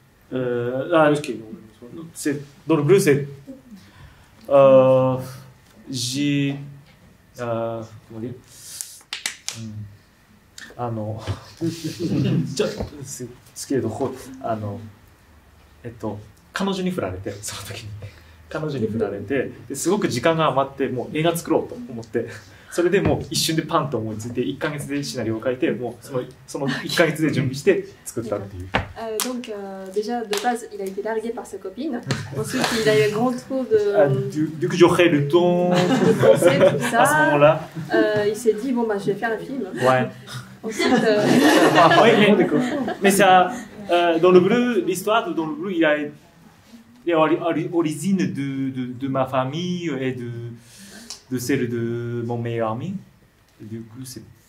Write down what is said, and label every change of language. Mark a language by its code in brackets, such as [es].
[fr] Dans le bleu, c'est. Comment dire? Ah non. C'est ce qui est drôle. Ah non. [ja] 彼女に振られて、その時に。彼女に振られて、ですごく時間が余って、もう映画作ろうと思って、それでもう一瞬でパンと思いついて、1ヶ月でシナリオを書いて、もうその1ヶ月で準備して作ったっていう。 [fr] donc, déjà, de base, il a été largué par sa copine. Ensuite, il a eu un grand trou de... Vu que j'aurais le temps de penser, tout ça, à ce moment-là, il s'est dit, bon, bah, je vais faire un film. Ouais. Ensuite... oui, mais ça, dans le bleu, l'histoire de dans le bleu, l'origine de ma famille et de celle de mon meilleur ami. Du coup, c'est...